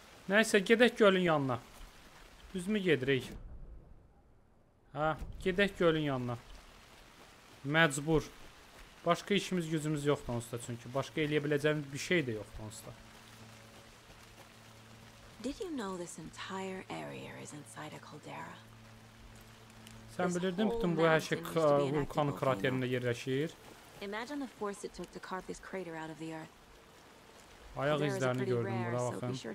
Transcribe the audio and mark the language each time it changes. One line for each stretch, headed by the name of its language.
Azerbaijani: Nəysə, gedək gölün yanına. Düzmü gedirik? Hə, gedək gölün yanına. Məcbur. Başqa işimiz gücümüz yoxdur onsuz da çünki. Başqa eləyə biləcəyimiz bir şey də yoxdur onsuz da.
English: Did you know this entire area is inside a caldera?
Azerbaijani: Sən bilirdin bütün bu hər şey vulkan kraterində yerləşir?
English: Imagine the force it took to carve this crater out of the earth.
Azerbaijani: Ayaq izlərini gördüm, bura baxın.